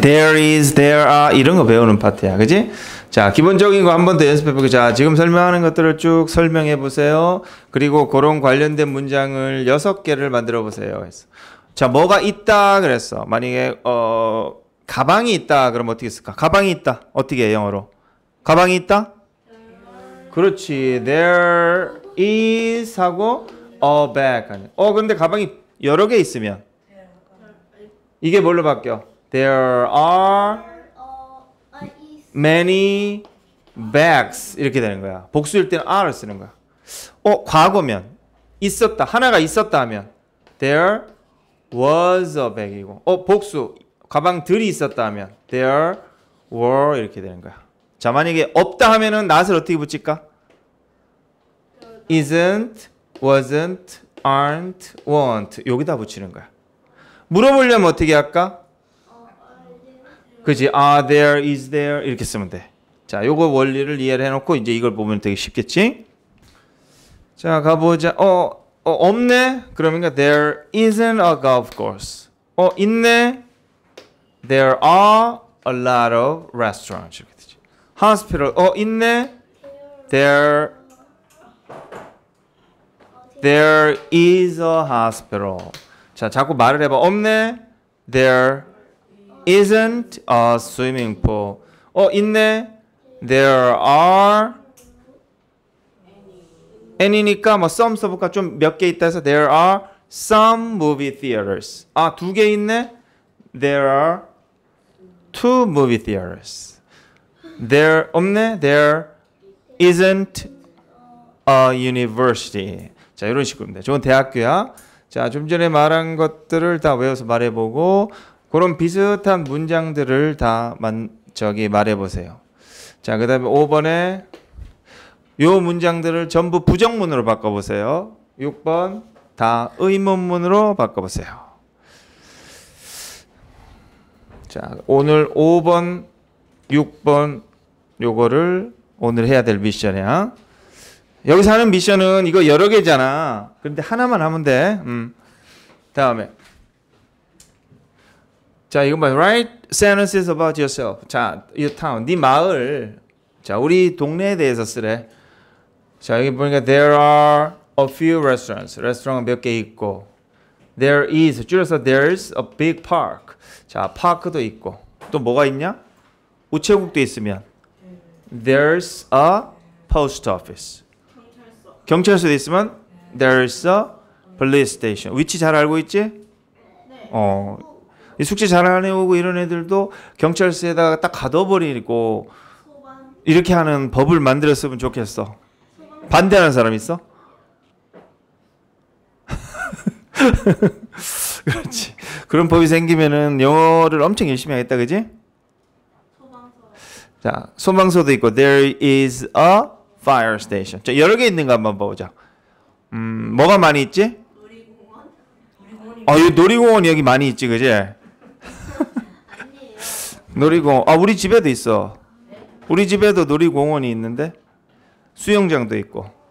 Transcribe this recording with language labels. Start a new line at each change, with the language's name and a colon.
English: There is, there are
Korean: 이런 거 배우는 파트야, 그지? 자, 기본적인 거 한 번 더 연습해보고, 자, 지금 설명하는 것들을 쭉 설명해보세요. 그리고 그런 관련된 문장을 6개를 만들어보세요. 했어. 자, 뭐가 있다, 그랬어. 만약에, 가방이 있다, 그럼 어떻게 쓸까? 가방이 있다. 어떻게 해, 영어로? 가방이 있다? 그렇지.
English: There is 하고, a bag.
Korean: 근데 가방이 여러 개 있으면? 이게 뭘로 바뀌어?
English: There are many bags
Korean: 이렇게 되는 거야. 복수일 때는 are 쓰는 거야. 과거면 있었다. 하나가 있었다 하면
English: there was a bag이고.
Korean: 복수 가방들이 있었다 하면
English: there were
Korean: 이렇게 되는 거야. 자, 만약에 없다 하면은 not을 어떻게 붙일까?
English: isn't, wasn't, aren't, won't
Korean: 여기다 붙이는 거야. 물어보려면 어떻게 할까? 그지?
English: Are there, is there
Korean: 이렇게 쓰면 돼. 자, 요거 원리를 이해를 해놓고 이제 이걸 보면 되게 쉽겠지? 자, 가보자. 없네?
English: 그러면 there isn't a golf course.
Korean: 있네?
English: There are a lot of restaurants
Korean: 이렇게 되지. Hospital. 있네?
English: There is a hospital.
Korean: 자, 자꾸 말을 해봐. 없네?
English: There isn't a swimming pool.
Korean: 있네?
English: There are any니까 뭐 some 써볼까?
Korean: 좀 몇 개 있다 해서
English: there are some movie theaters.
Korean: 아, 두 개 있네?
English: There are two movie theaters. There
Korean: 없네?
English: There isn't a university.
Korean: 자, 이런 식으로입니다. 좋은 대학교야. 자, 좀 전에 말한 것들을 다 외워서 말해보고 그런 비슷한 문장들을 다 말해보세요. 자, 그 다음에 5번에 요 문장들을 전부 부정문으로 바꿔보세요. 6번 다 의문문으로 바꿔보세요. 자, 오늘 5번, 6번 요거를 오늘 해야 될 미션이야. 여기서 하는 미션은 이거 여러 개잖아. 그런데 하나만 하면 돼. 다음에. 자, 이거 뭐야?
English: Write sentences about yourself.
Korean: 자,
English: your town.
Korean: 네 마을. 자, 우리 동네에 대해서 쓰래. 자, 여기 보니까
English: there are a few restaurants.
Korean: 레스토랑 몇 개 있고.
English: There is.
Korean: 줄여서
English: there's a big park.
Korean: 자, 파크도 있고. 또 뭐가 있냐? 우체국도 있으면.
English: There's a post office.
Korean: 경찰서도 있으면
English: there's a police station.
Korean: 위치 잘 알고 있지? 네. 이 숙제 잘 안 해오고 이런 애들도 경찰서에다가 딱 가둬버리고 이렇게 하는 법을 만들었으면 좋겠어. 반대하는 사람 있어? 그렇지. 그런 법이 생기면은 영어를 엄청 열심히 하겠다, 그지? 소방서. 자, 소방서도 있고
English: there is a fire station.
Korean: 자, 여러 개 있는 거 한번 보자. 뭐가 많이 있지? 놀이공원. 이 놀이공원 여기 많이 있지, 그지? 아니에요. 놀이공원. 우리 집에도 있어. 네? 우리 집에도 놀이공원이 있는데 수영장도 있고.